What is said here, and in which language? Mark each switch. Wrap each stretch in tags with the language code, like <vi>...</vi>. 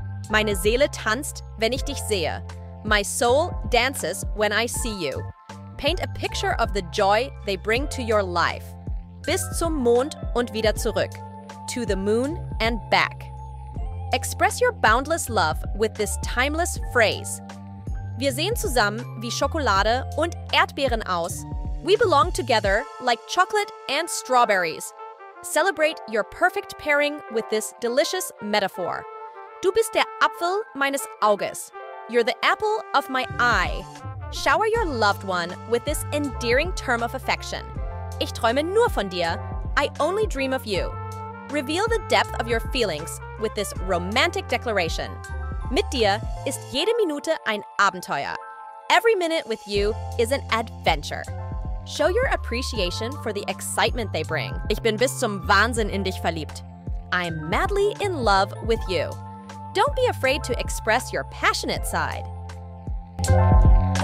<de>Meine Seele tanzt, wenn ich dich sehe.</de> <en>My soul dances when I see you. Paint a picture of the joy they bring to your life.</en> <de>Bis zum Mond und wieder zurück.</de> <en>To the moon and back. Express your boundless love with this timeless phrase.</en> <de>Wir sehen zusammen wie Schokolade und Erdbeeren aus.</de> <en>We belong together like chocolate and strawberries. Celebrate your perfect pairing with this delicious metaphor.</en> <de>Du bist der Apfel meines Auges.</de> <en>You're the apple of my eye. Shower your loved one with this endearing term of affection.</en> <de>Ich träume nur von dir.</de> <en>I only dream of you. Reveal the depth of your feelings with this romantic declaration.</en> <de>Mit dir ist jede Minute ein Abenteuer.</de> <en>Every minute with you is an adventure. Show your appreciation for the excitement they bring.</en> <de>Ich bin bis zum Wahnsinn in dich verliebt.</de> <en>I'm madly in love with you. Don't be afraid to express your passionate side.</en>